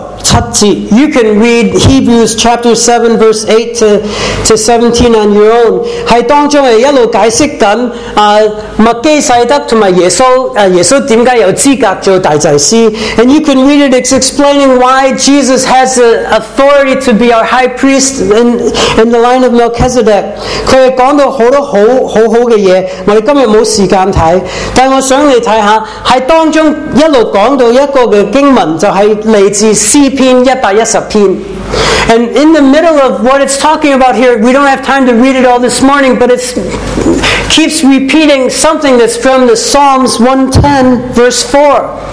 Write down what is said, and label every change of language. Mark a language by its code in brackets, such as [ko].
[en] You can read Hebrews chapter 7 verse 8 to 17 on your own. [zh] 在当中一路解释麦基洗德和耶稣为什么有资格做大祭司。 [en] And you can read it, it's explaining why Jesus has the authority to be our high priest in the line of Melchizedek. [zh] 他说到很多好的东西，我们今天没时间看，但我想你看看，在当中一路讲到一个经文，就是来自诗篇 110篇。 [en] And in the middle of what it's talking about here, we don't have time to read it all this morning, but it keeps repeating something that's from the Psalms 110:4.